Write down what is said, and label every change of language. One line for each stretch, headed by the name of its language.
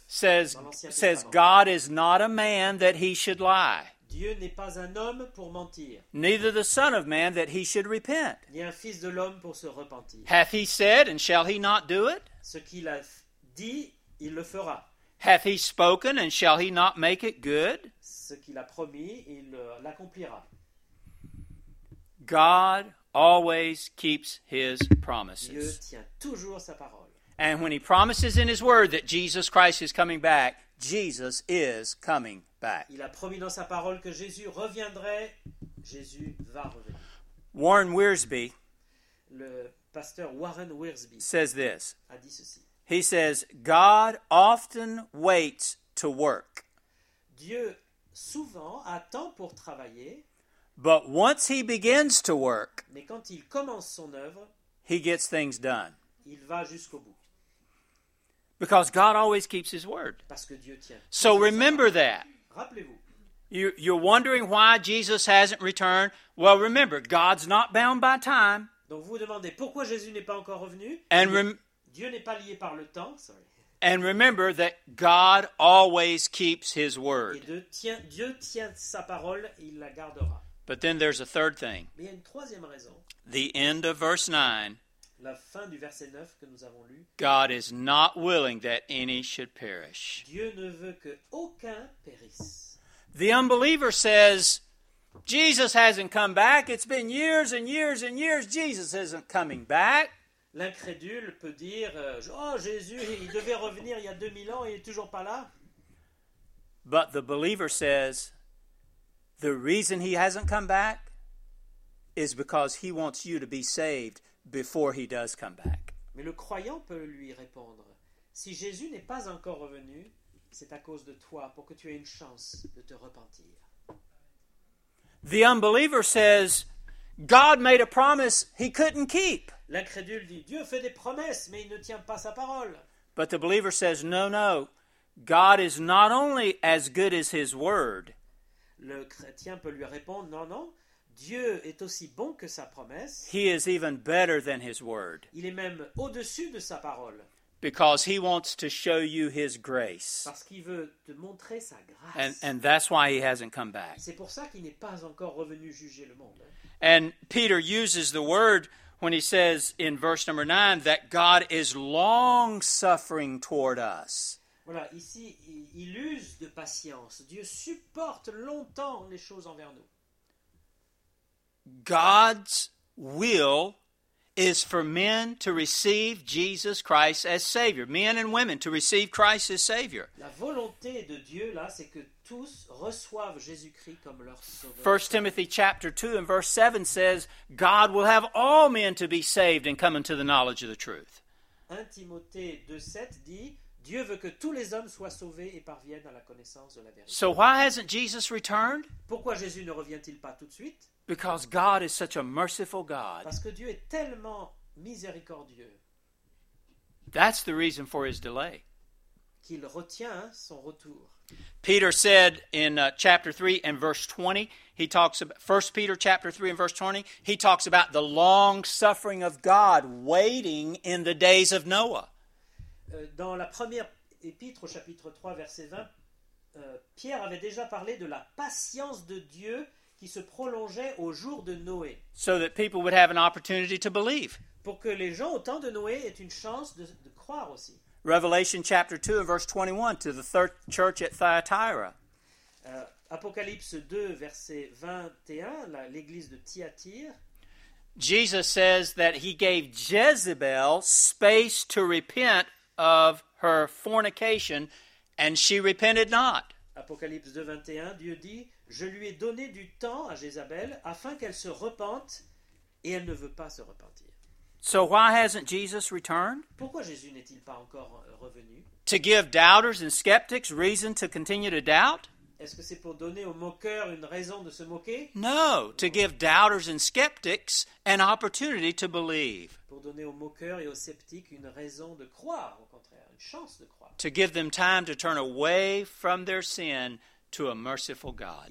English: Says God is not a man that he should lie.
French: Dieu n'est pas un homme pour mentir.
English: Neither the son of man that he should repent.
French: Ni un fils de l'homme pour se repentir.
English: Hath he said and shall he not do it?
French: Ce qu'il a dit, il le fera.
English: Hath he spoken and shall he not make it good?
French: Ce qu'il a promis, il l'accomplira.
English: God always keeps his promises.
French: Dieu tient toujours sa parole.
English: And when he promises in his word that Jesus Christ is coming back, Jesus is coming back.
French: Il a promis dans sa parole que Jésus reviendrait, Jésus va revenir.
English: Warren Wiersbe,
French: le pasteur Warren Wiersbe,
English: says this.
French: A dit ceci.
English: He says, God often waits to work.
French: Dieu souvent attend pour travailler.
English: But once he begins to work,
French: mais quand il commence son œuvre,
English: he gets things done.
French: Il va jusqu'au bout.
English: Because God always keeps his word.
French: Parce que Dieu tient.
English: So remember that.
French: Rappelez-vous.
English: You're wondering why Jesus hasn't returned. Well, remember, God's not bound by time.
French: Donc vous demandez pourquoi Jésus n'est pas encore revenu.
English: And
French: Dieu n'est pas lié par le temps,
English: sorry. And remember that God always keeps his word.
French: Et Dieu tient sa parole, il la gardera.
English: But then there's a third thing.
French: Mais il y a une troisième raison.
English: The end of verse 9.
French: La fin du verset 9 que nous avons lu.
English: God is not willing that any should perish.
French: Dieu ne veut que aucun périsse.
English: The unbeliever says, Jesus hasn't come back. It's been years and years and years. Jesus isn't coming back.
French: L'incrédule peut dire, oh Jésus, il devait revenir il y a 2000 ans, il est toujours pas là.
English: But the believer says, the reason he hasn't come back is because he wants you to be saved before he does come back.
French: Mais le croyant peut lui répondre, si Jésus n'est pas encore revenu, c'est à cause de toi, pour que tu aies une chance de te repentir.
English: The unbeliever says, God made a promise he couldn't keep.
French: L'incrédule dit, Dieu fait des promesses, mais il ne tient pas sa parole.
English: But the believer says, no, no, God is not only as good as his word.
French: Le chrétien peut lui répondre, non, non, Dieu est aussi bon que sa promesse.
English: He is even better than his word.
French: Il est même au-dessus de sa parole.
English: Because he wants to show you his grace.
French: Parce qu'il veut te montrer sa grâce.
English: And that's why he hasn't come back.
French: C'est pour ça qu'il n'est pas encore revenu juger le monde.
English: And Peter uses the word when he says in verse number 9 that God is long-suffering toward us.
French: Voilà, ici, il use de patience. Dieu supporte longtemps les choses envers nous.
English: God's will is for men to receive Jesus Christ as Savior. Men and women to receive Christ as Savior.
French: La volonté de Dieu, là, c'est que tous reçoivent Jésus-Christ comme leur sauveur.
English: 1 Timothy chapter 2 and verse 7 says, God will have all men to be saved and come into the knowledge of the truth.
French: 1 Timothée 2:7 dit, Dieu veut que tous les hommes soient sauvés et parviennent à la connaissance de la vérité.
English: So why hasn't Jesus returned?
French: Pourquoi Jésus ne revient-il pas tout de suite?
English: Because God is such a merciful God.
French: Parce que Dieu est tellement miséricordieux.
English: That's the reason for his delay.
French: qu'il retient son retour.
English: Peter said in chapter 3 and verse 20, he talks about 1 Peter chapter 3 and verse 20, he talks about the long suffering of God waiting in the days of Noah.
French: Dans la première épître au chapitre 3 verset 20, Pierre avait déjà parlé de la patience de Dieu qui se prolongeait au jour de Noé.
English: So that people would have an opportunity to believe.
French: Pour que les gens au temps de Noé aient une chance de croire aussi.
English: Revelation chapter 2 and verse 21 to the third church at Thyatira.
French: Apocalypse 2 verset 21, l'église de Thyatire.
English: Jesus says that he gave Jezebel space to repent of her fornication and she repented not.
French: Apocalypse 2:21, Dieu dit, je lui ai donné du temps à Jézabel afin qu'elle se repente et elle ne veut pas se repentir.
English: So why hasn't Jesus returned?
French: Pourquoi Jésus n'est-il pas encore revenu?
English: To give doubters and skeptics reason to continue to doubt?
French: Est-ce que c'est pour donner aux moqueurs une raison de se moquer?
English: No, to give doubters and skeptics an opportunity to believe.
French: Pour donner aux moqueurs et aux sceptiques une raison de croire, au contraire, une chance de croire.
English: To give them time to turn away from their sin to a merciful God.